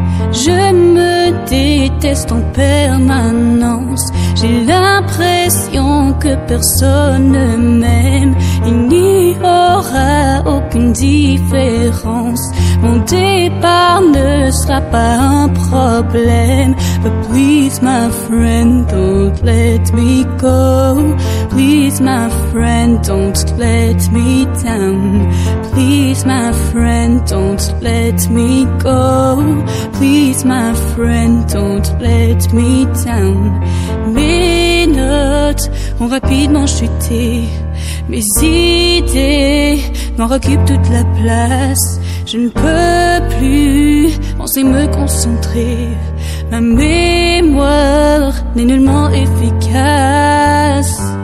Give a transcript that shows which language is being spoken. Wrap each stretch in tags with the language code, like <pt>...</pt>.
<fr>Je me déteste en permanence. J'ai l'impression que personne ne m'aime. Il n'y aura aucune différence. Mon départ ne sera pas un problème.</fr> <en>But please, my friend, don't let me go. Please, my friend, don't let me down. Please, my friend, don't let me go. Please, my friend, don't let me down.</en> <fr>Mes notes ont rapidement chuté. Mes idées m'en occupent toute la place. Je ne peux plus penser, me concentrer. Ma mémoire n'est nullement efficace.</fr>